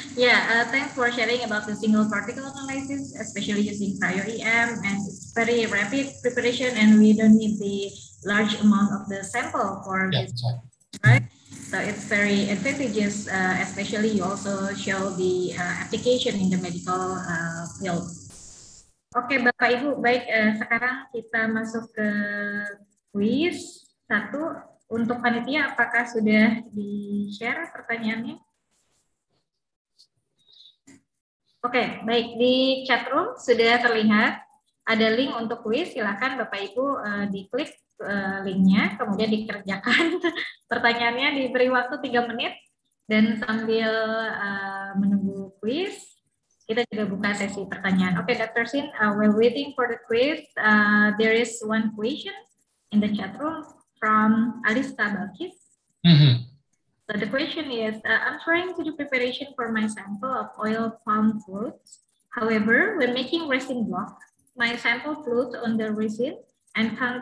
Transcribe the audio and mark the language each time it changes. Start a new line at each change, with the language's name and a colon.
English: Yeah, thanks for sharing about the single particle analysis, especially using cryo-EM, and it's very rapid preparation, and we don't need the large amount of the sample for So it's very advantageous, especially you also show the application in the medical field.
Indonesian: Oke, Bapak Ibu, baik sekarang kita masuk ke quiz. Satu, untuk panitia apakah sudah di-share pertanyaannya? Oke, baik, di chat room sudah terlihat ada link untuk quiz. Silakan Bapak Ibu diklik link-nya, kemudian dikerjakan pertanyaannya, diberi waktu 3 menit dan sambil menunggu quiz. Kita juga buka sesi pertanyaan.
English: Oke, okay, Dr. Xin, we're waiting for the quiz. There is one question in the chat room from Alista Balkis. Mm-hmm. So the question is, I'm trying to do preparation for my sample of oil palm fruits. However, when making resin block, my sample floats on the resin and